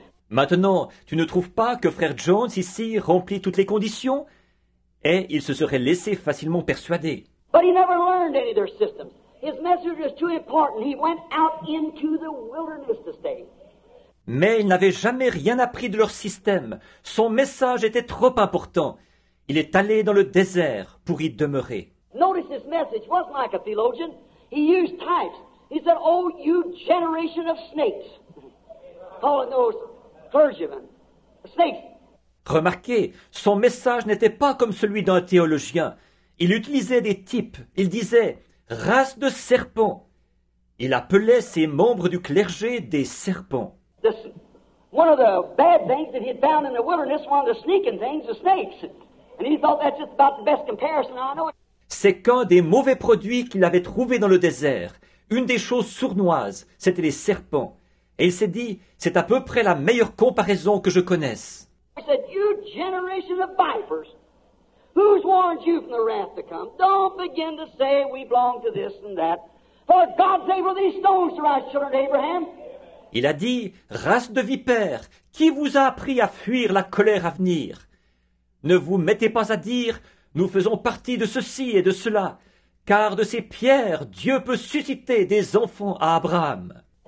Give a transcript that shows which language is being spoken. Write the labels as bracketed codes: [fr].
[fr] Maintenant, tu ne trouves pas que frère Jones ici remplit toutes les conditions? Et il se serait laissé facilement persuader. [en] But he never learned any of their systems. His message was too important. He went out into the wilderness to stay. [fr] Mais il n'avait jamais rien appris de leur système. Son message était trop important. Il est allé dans le désert pour y demeurer. [en] Notice his message wasn't like a theologian. He used types. He said, "Oh, you generation of snakes," calling those clergymen snakes. [fr] Remarquez, son message n'était pas comme celui d'un théologien. Il utilisait des types. Il disait « race de serpents ». Il appelait ses membres du clergé des serpents. [en] One of the bad things that he had found in the wilderness, one of the sneaking things, the snakes. And he thought that's just about the best comparison I know. [fr] C'est qu'un des mauvais produits qu'il avait trouvé dans le désert. Une des choses sournoises, c'était les serpents. Et il s'est dit, c'est à peu près la meilleure comparaison que je connaisse. [en] He said, you generation of vipers, who's warned you from the wrath to come? Don't begin to say we belong to this and that. For God's able these stones to rise, children of Abraham. [fr] Il a dit, race de vipères, qui vous a appris à fuir la colère à venir? Ne vous mettez pas à dire, nous faisons partie de ceci et de cela, car de ces pierres, Dieu peut susciter des enfants à Abraham.